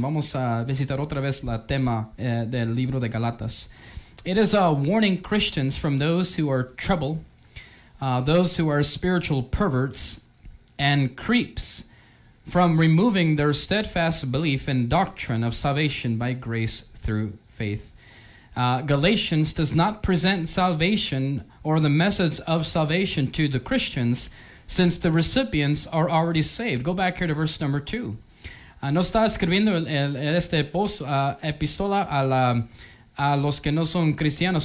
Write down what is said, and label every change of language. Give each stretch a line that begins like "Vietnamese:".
Spanish: Vamos a visitar otra vez la tema del libro de Galatas.
English: It is warning Christians from those who are trouble, those who are spiritual perverts and creeps, from removing their steadfast belief in doctrine of salvation by grace through faith. Galatians does not present salvation or the methods of salvation to the Christians, since the recipients are already saved. Go back here to verse number 2.
Spanish: No está escribiendo este post epístola a los que no son cristianos.